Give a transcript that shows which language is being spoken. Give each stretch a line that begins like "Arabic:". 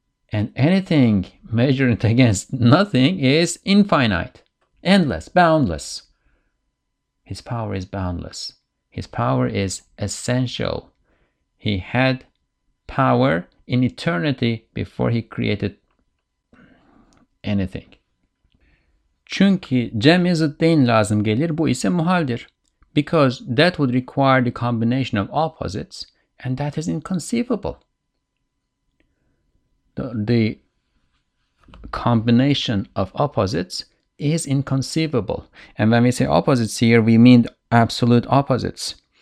English: And anything measured against nothing is infinite, endless, boundless. His power is boundless. His power is essential. He had power in eternity before he created anything.
Turkish: Çünkü cem-i zıddeyn lazım gelir, bu ise muhaldir.
English: Because that would require the combination of opposites, and that is inconceivable. The combination of opposites is inconceivable. And when we say opposites here, we mean absolute opposites.